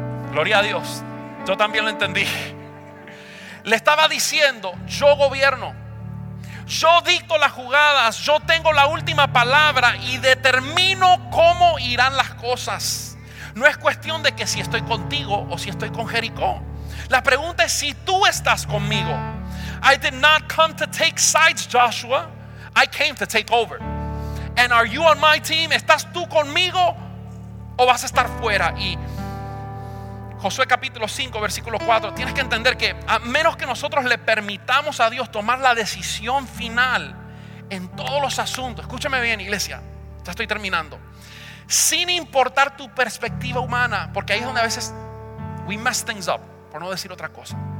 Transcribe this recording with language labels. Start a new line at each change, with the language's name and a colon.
Spanish: Gloria a Dios. Yo también lo entendí. Le estaba diciendo: yo gobierno, yo dicto las jugadas, yo tengo la última palabra y determino cómo irán las cosas. No es cuestión de que si estoy contigo o si estoy con Jericó. La pregunta es si tú estás conmigo.
English: I did not come to take sides, Joshua. I came to take over. And are you on my team?
Spanish: ¿Estás tú conmigo o vas a estar fuera? Y Josué capítulo 5, versículo 4, tienes que entender que a menos que nosotros le permitamos a Dios tomar la decisión final en todos los asuntos, escúchame bien, iglesia, ya estoy terminando, sin importar tu perspectiva humana, porque ahí es donde a veces
English: we mess things up,
Spanish: por no decir otra cosa.